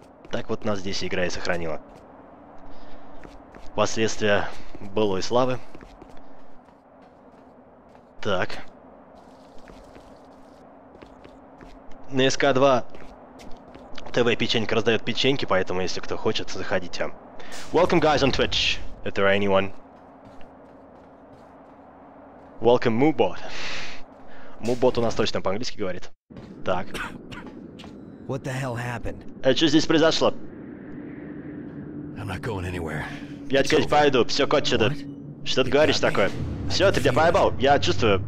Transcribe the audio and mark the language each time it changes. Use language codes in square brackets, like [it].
[ru] Так вот нас здесь игра и сохранила. Последствия былой славы. Так. На СК2 ТВ печенька раздает печеньки, поэтому если кто хочет, заходите. [en] Welcome guys on Twitch, if there are anyone. Welcome Moobot. [ru] Moobot у нас точно по-английски говорит. Так. [en] What the hell happened? [ru] А что здесь произошло? [en] I'm not going anywhere. [ru] Я тебе пойду, все кончено. Что ты говоришь такое? Все, ты меня поебал, я чувствую.